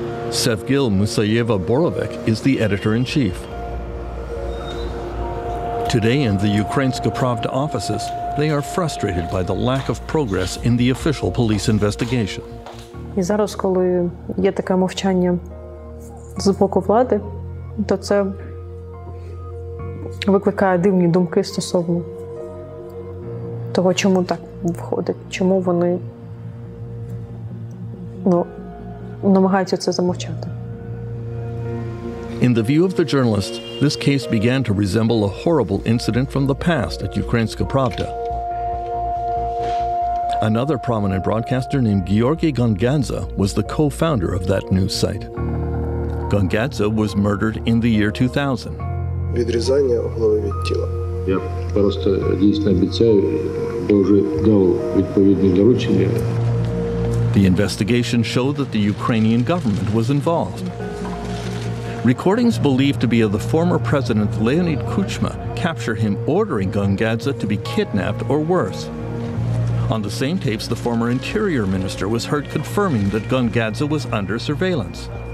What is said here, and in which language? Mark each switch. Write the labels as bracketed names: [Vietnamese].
[English] Sevgil Musayeva Borovik is the editor-in-chief. Today in the Ukrainska Pravda offices, they are frustrated by the lack of progress in the official police investigation. [Ukrainian] І зараз, коли є таке мовчання з боку влади, то це викликає дивні думки стосовно того, чому так виходить, чому вони намагаються це замовчати. [English] In the view of the journalist, this case began to resemble a horrible incident from the past at Ukrainska Pravda. Another prominent broadcaster named Georgi Gongadze was the co-founder of that news site. Gongadze was murdered in the year 2000. [Ukrainian] Відрізання голови від тіла. Я просто дійсно обіцяю, дуже дав відповідні доручення. [English] The investigation showed that the Ukrainian government was involved. Recordings believed to be of the former president Leonid Kuchma capture him ordering Gongadze to be kidnapped or worse. On the same tapes, the former interior minister was heard confirming that Gongadze was under surveillance.